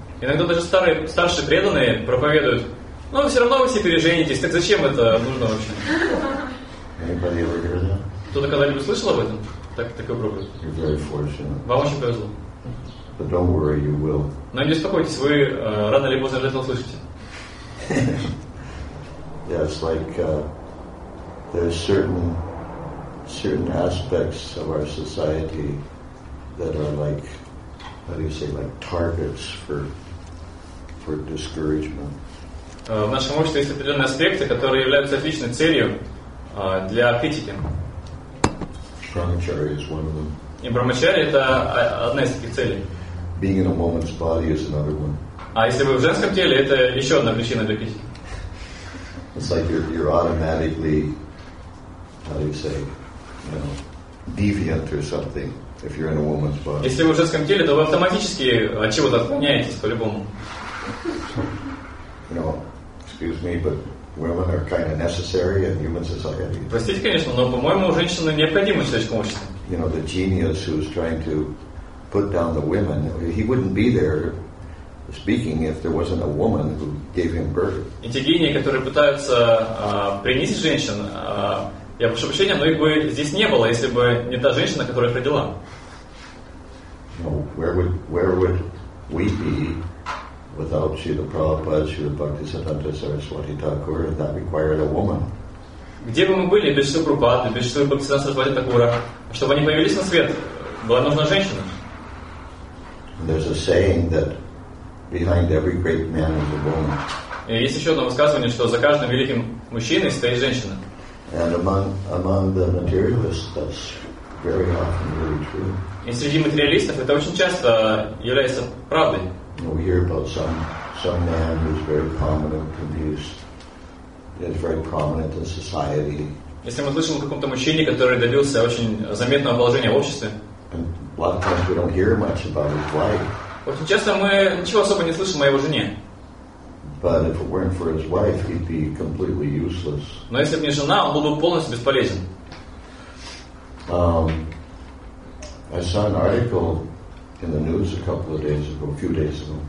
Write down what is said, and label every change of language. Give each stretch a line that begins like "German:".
Russian: Иногда даже старшие преданные проповедуют: ну, все равно вы все переженитесь, так зачем это нужно вообще?
English: Anybody ever hear that?
Russian: Кто-то когда-либо слышал об этом? Такой проповедь.
English: You're very fortunate.
Russian: Вам очень повезло.
English: But don't worry, you will.
Russian: Но не беспокойтесь, вы рано или поздно это услышите.
English: Yeah, it's like there's certain aspects of our society that are like, how do you say, like targets for discouragement.
Russian: В нашем обществе есть определенные аспекты, которые являются отличной целью для критики.
English: Brahmacharya is one of them.
Russian: И брахмачари — это одна из таких целей.
English: Being in a woman's body is another one.
Russian: А если вы в женском теле, это еще одна причина для критики.
English: It's like you're automatically, how do you say, you know, deviant or something if you're in a woman's body.
Russian: Если вы в женском теле, то вы автоматически от чего-то отклоняетесь по-любому.
English: You know, excuse me, but women are kind of necessary in human society.
Russian: Простите, конечно, но по-моему, женщины необходимы в человеческом обществе.
English: You know, the genius who's trying to put down the women, he wouldn't be there speaking if there wasn't a woman who gave him birth.
Russian: И те гении, которые пытаются принизить женщин, я прошу прощения, но их бы здесь не было, если бы не та женщина, которая родила.
English: No, where would we be without Śrīla Prabhupāda, Śrīla Bhaktisiddhānta Saraswati Thakura, and that required a woman?
Russian: Где бы мы были без Śrīla Prabhupāda, без Śrīla Bhaktisiddhānta Saraswati Thakura? Чтобы они появились на свет, была нужна женщина.
English: There's a saying that behind every great man is a woman.
Russian: Есть еще одно высказывание, что за каждым великим мужчиной стоит женщина.
English: And among the materialists, that's very often really true.
Russian: И среди материалистов это очень часто является правдой.
English: We hear about some man who's very prominent, he's very prominent in society.
Russian: Если мы слышим о каком-то мужчине, который добился очень заметного положения в обществе.
English: A lot of times we don't hear much about his wife.
Russian: Очень часто мы ничего особо не слышим о его жене.
English: But if it weren't for his wife, he'd be completely useless.
Russian: Но если бы не жена, он был бы полностью бесполезен.
English: I saw an article in the news a few days ago.